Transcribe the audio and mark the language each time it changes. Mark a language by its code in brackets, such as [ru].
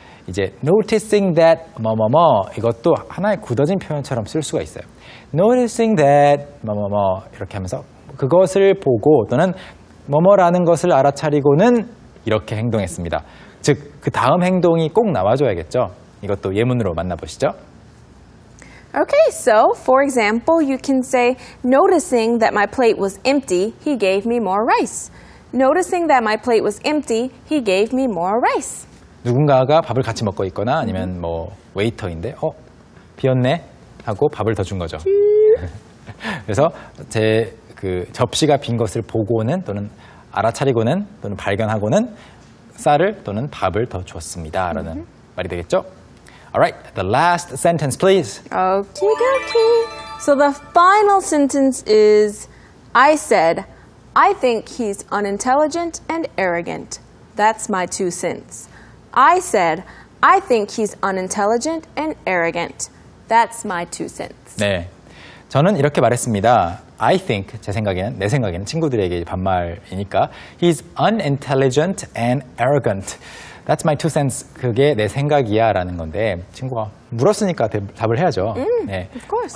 [ko] 이제 noticing that 뭐뭐뭐 이것도 하나의 굳어진 표현처럼 쓸 수가 있어요. [en] noticing that [ko] 뭐뭐뭐 이렇게 하면서 그것을 보고 또는 뭐뭐라는 것을 알아차리고는 이렇게 행동했습니다. 즉, 그 다음 행동이 꼭 나와줘야겠죠. 이것도 예문으로 만나보시죠. [en] Okay, so for example, you can say noticing that my plate was empty, he gave me more rice. Noticing that my plate was empty, he gave me more rice. [ko] 누군가가 밥을 같이 먹고 있거나 아니면 뭐 웨이터인데 어 비었네 하고 밥을 더 준 거죠. 그래서 제 그 접시가 빈 것을 보고는 또는 알아차리고는 또는 발견하고는 쌀을 또는 밥을 더 줬습니다라는 mm-hmm. 말이 되겠죠? [en] Alright, the last sentence, please. Okie dokie. So the final sentence is, I said, I think he's unintelligent and arrogant. That's my two cents. I said, I think he's unintelligent and arrogant. That's my two cents. [ko] 네, 저는 이렇게 말했습니다. [en] I think, [ko] 제 생각에는, 내 생각에는 친구들에게 반말이니까, [en] he's unintelligent and arrogant. That's my two cents. [ko] 그게 내 생각이야 라는 건데 친구가 물었으니까 답을 해야죠. [en] Mm, [ko] 네, [en] of course.